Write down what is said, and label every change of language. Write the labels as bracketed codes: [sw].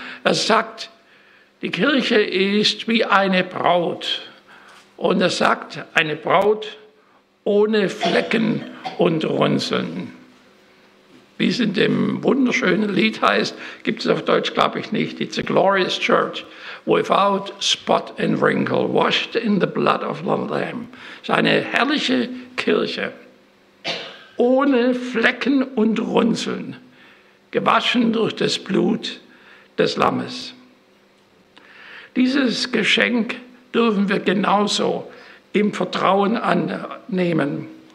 [de] Er sagt, die Kirche ist wie eine Braut. Und er sagt, eine Braut ohne Flecken und Runzeln. Wie es in dem wunderschönen Lied heißt, gibt es auf Deutsch, glaube ich, nicht. [en] It's a glorious church, without spot and wrinkle, washed in the blood of the Lamb. [de] Es ist eine herrliche Kirche, ohne Flecken und Runzeln, gewaschen durch das Blut des Lammes. Dieses Geschenk dürfen wir genauso im Vertrauen annehmen.